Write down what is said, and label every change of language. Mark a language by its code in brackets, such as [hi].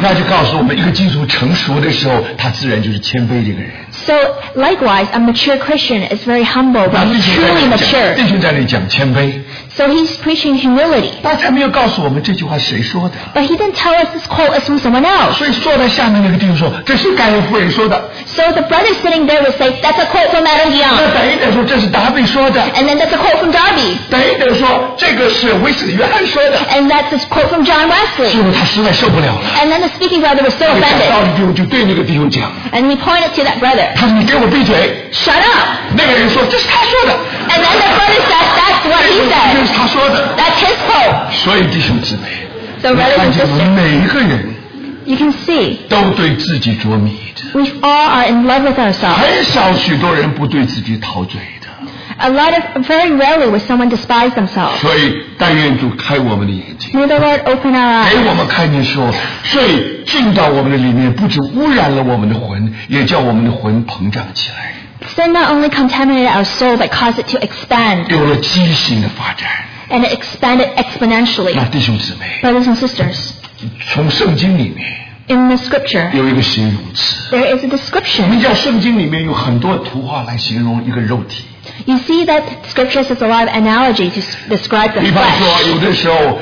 [zh] 那就告诉我们，一个基督徒成熟的时候，他自然就是谦卑的一个人。 [en] So likewise, a mature Christian is very humble, but truly mature. [zh] 弟兄在那里讲谦卑。 [en] So he's preaching humility. [zh] 但他没有告诉我们这句话谁说的。 [en] But he didn't tell us this quote is from someone else. [zh] 所以坐在下面那个弟兄说，这是盖恩夫人说的。 [en] So the brother sitting there would say, that's a quote from Madame Guyon. [zh] 那等一等说，这是达比说的。 [en] And then that's a quote from Darby. [zh] 等一等说，这个是威斯约翰说的。 [en] And that's a quote from John Wesley. [zh] 结果他实在受不了了。 [en] And then the speaking brother was so offended. [zh] 讲道的弟兄就对那个弟兄讲。 [en] And he pointed to that brother. [zh] 他说你给我闭嘴。 [en] Shut up. [zh] 那个人说，这是他说的。 [en] And then the brother said, that's what he said. [zh] 这是他说的。 [en] That's his quote. [zh] 所以弟兄姊妹，你看见我们每一个人 [en] ，You can see， [zh] 都对自己着迷的。 [en] We all are in love with ourselves. [zh] 很少许多人不对自己陶醉的。 [en] very rarely would someone despise themselves. [zh] 所以, 但愿主开我们的眼睛, [en] May the Lord open our eyes. [zh] 给我们看见说, 罪进到我们的里面, 不止污染了我们的魂, 也叫我们的魂膨胀起来。 [en] Sin not only contaminated our soul, but caused it to expand. [zh] 有了畸形的发展, [en] and it expanded exponentially. [zh] 那弟兄姊妹, [en] Brothers and sisters, [zh] 从圣经里面, [en] in the scripture, [zh] 有一个形容词, [en] there is a description. [zh] 你知道圣经里面有很多图画来形容一个肉体。 [en] You see that scripture has a lot of analogy to describe the flesh.